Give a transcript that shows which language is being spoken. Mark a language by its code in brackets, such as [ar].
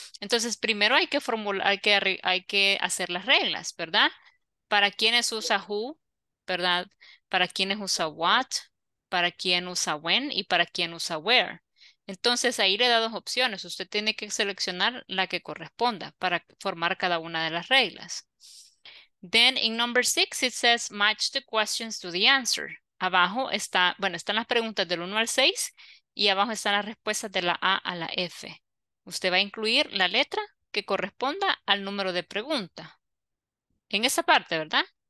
[es] Entonces, primero hay que formular, hay que hacer las reglas, ¿verdad? ¿Para quiénes usa who? ¿Verdad? ¿Para quiénes usa what? ¿Para quién usa when? ¿Y para quién usa where? Entonces, ahí le da dos opciones. Usted tiene que seleccionar la que corresponda para formar cada una de las reglas. [en] Then, in number six, it says match the questions to the answer. [es] Abajo está, bueno, están las preguntas del 1 al 6 y abajo están las respuestas de la A a la F. Usted va a incluir la letra que corresponda al número de pregunta. En esa parte, ¿verdad?